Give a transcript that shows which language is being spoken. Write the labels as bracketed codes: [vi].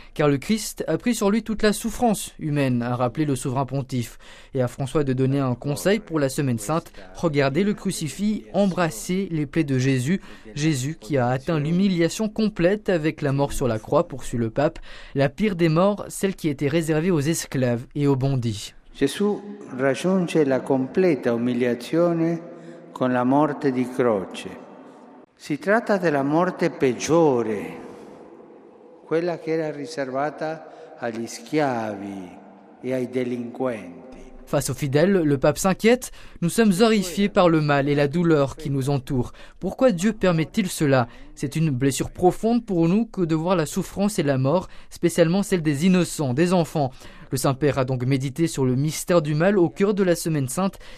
[fr] Car le Christ a pris sur lui toute la souffrance humaine, a rappelé le souverain pontife. Et à François de donner un conseil pour la semaine sainte, regardez le crucifix, embrassez les plaies de Jésus. Jésus qui a atteint l'humiliation complète avec la mort sur la croix, poursuit le pape. La pire des morts, celle qui était réservée aux esclaves et aux bandits. [it] Jésus raggiunge la completa umiliazione con la morte di croce. Si tratta della morte peggiore, quella che era riservata agli schiavi e ai delinquenti. [fr] Face aux fidèles, le pape s'inquiète. Nous sommes horrifiés par le mal et la douleur qui nous entourent. Pourquoi Dieu permet-il cela ? C'est une blessure profonde pour nous que de voir la souffrance et la mort, spécialement celle des innocents, des enfants. Le Saint-Père a donc médité sur le mystère du mal au cœur de la Semaine Sainte.